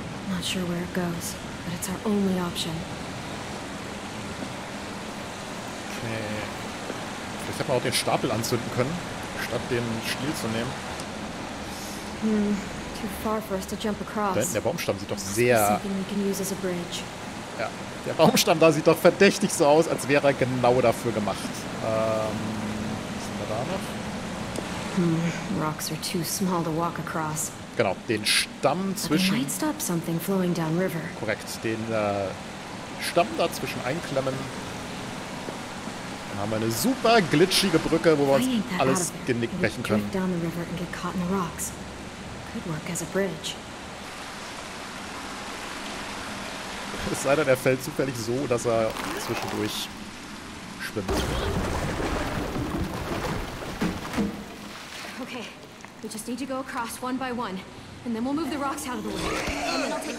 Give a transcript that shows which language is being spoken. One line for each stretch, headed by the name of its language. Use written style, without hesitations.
English: Not sure where it goes, but it's our only option. Okay.
German: Ich hätte auch den Stapel anzünden können, statt den Stiel zu nehmen.
English: Too far for us to jump across.
German: Da hinten, der Baumstamm sieht doch sehr...
English: We can use as a bridge.
German: Ja. Der Baumstamm da sieht doch verdächtig so aus, als wäre er genau dafür gemacht. Was sind wir da noch?
English: Rocks are too small to walk across.
German: Genau, den Stamm zwischen...
English: But it might stop something flowing down river.
German: Korrekt, den Stamm dazwischen einklemmen. Dann haben wir eine super glitschige Brücke, wo wir uns alles genick brechen können.
English: Drift down the river and get caught in the rocks. Could work as a bridge.
German: Es sei denn, er fällt zufällig so, dass er zwischendurch schwimmt.
English: Okay, we just need to go across one by one, and then we'll move the rocks out of the way.